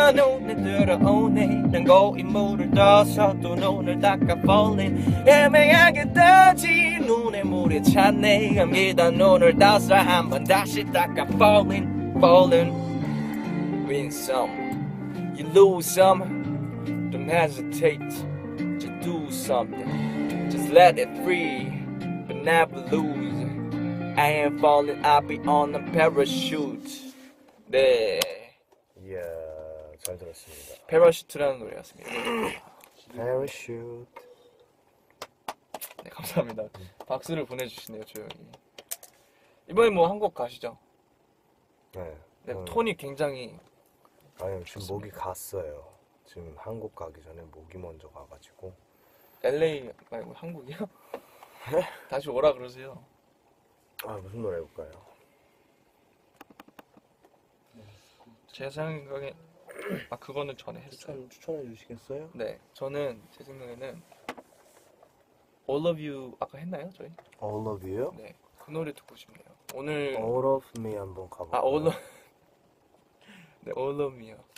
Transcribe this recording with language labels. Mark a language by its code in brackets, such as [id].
[ko] 눈에 들어오네 난 고인 물을 떠서 두 눈을 닦아 falling 애매하게 떠진 눈에 물이 찼네 감기던 눈을 떠서 한번 다시 닦아 [en] falling falling win some You lose some, don't hesitate to do something. Just let it free, but never lose. I ain't falling, I'll be on a parachute. [ko] 네. 이야, 잘 들었습니다. 패러슈트라는 노래였습니다. 패러슈트. 네, 감사합니다. 박수를 보내주시네요, 조용히. 이번에 뭐 한 곡 가시죠? 네. 네, 톤이 굉장히 아니 지금 좋습니다. 목이 갔어요. 지금 한국 가기 전에 목이 먼저 가가지고 LA 말고 한국이요? 다시 오라 그러세요. 아 무슨 노래 해볼까요? 제 생각에 아 그거는 전에 했어요. 추천해 주시겠어요? 네 저는 제 생각에는 All of You 아까 했나요 저희? All of You? 네 그 노래 듣고 싶네요. 오늘 All of Me 한번 가볼까요? 아 All of 네, All of me요.